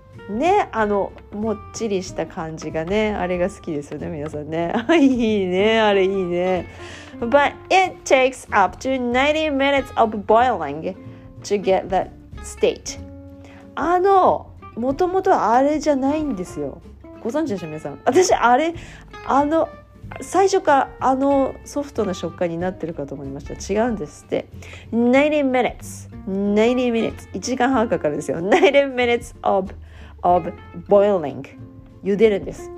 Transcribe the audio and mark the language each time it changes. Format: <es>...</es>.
<ja>ね、もっちりした感じがね、あれが好きですよね、皆さんね。いいね、あれいいね。</ja> <en>But it takes up to 90 minutes of boiling to get that state.</en> <ja>もともとあれじゃないんですよ。ご存知でしょ、皆さん。私、あれ、最初からソフトな食感になってるかと思いました。違うんですって。</ja> <en>90 minutes。</en> <ja>1時間半かかるんですよ。</ja> <en>90 minutes of boiling</en> <ja>茹でるんです。</ja>